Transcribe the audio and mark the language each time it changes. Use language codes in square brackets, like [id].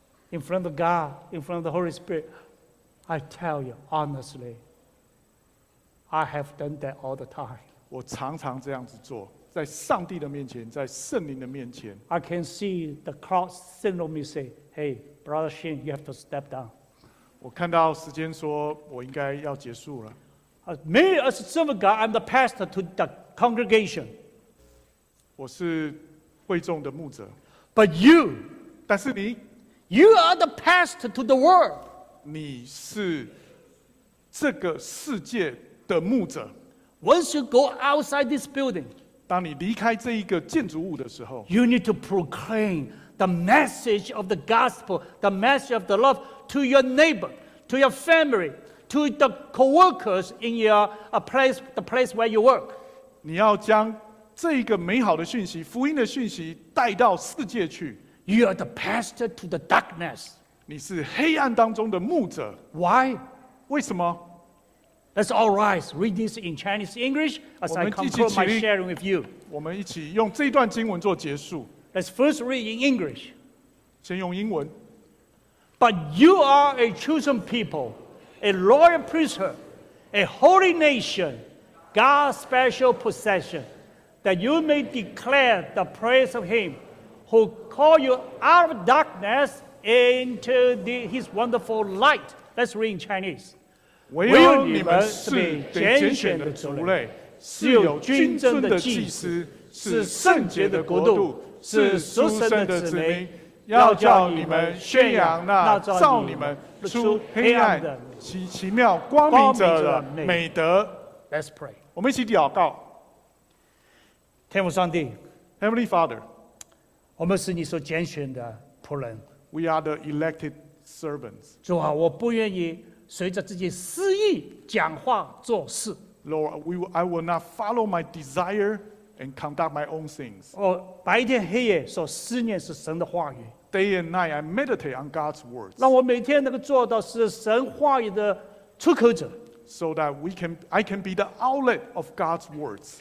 [en] In front of God, in front of the Holy Spirit, I tell you honestly, I have done that all the time. [zh] 我常常这样子做，在上帝的面前，在圣灵的面前。 [en] I can see the cross signal me say, "Hey, Brother Shane, you have to step down." [zh] 我看到时间说，我应该要结束了。 [en] Me as a servant of God, I'm the pastor to the congregation. [zh] 我是会众的牧者。 [en] But you, [zh] 但是你 [en] ，You are the pastor to the world. [zh] 你是这个世界的牧者。 [en] Once you go outside this building, [zh] 当你离开这一个建筑物的时候 [en] ，you need to proclaim the message of the gospel, the message of the love to your neighbor, to your family, to the coworkers in your place, the place where you work. [zh] 你要将这一个美好的讯息，福音的讯息带到世界去。 [en] You are the pastor to the darkness. [zh] 你是黑暗当中的牧者。 [en] Why? [zh] 为什么？ [en] Let's all rise. Read this in Chinese English as I conclude my sharing with you. [zh] 我们一起用这一段经文做结束。 [en] Let's first read in English. [zh] 先用英文。 [en] But you are a chosen people, a royal priesthood, a holy nation, God's special possession, that you may declare the praise of Him who called you out of darkness into His wonderful light. Let's read in Chinese. [zh] 唯有你们是被拣选的族类，是有君尊的祭司，是圣洁的国度，是属神的子民，要叫你们宣扬那造你们出黑暗其奇妙光明者的美德。 [en] Let's pray. [zh] 我们一起祷告。天父上帝 [en] ，Heavenly Father， [zh] 我们是你所拣选的仆人。 [en] We are the elected servants. [zh] 主啊，我不愿意。随着自己私意讲话做事 [en] Lord, I will not follow my desire and conduct my own things. [zh] 我白天黑夜所思念是神的话语 [en] Day and night, I meditate on God's words. [zh] 让我每天能够做到是神话语的出口者 [en] So that I can be the outlet of God's words.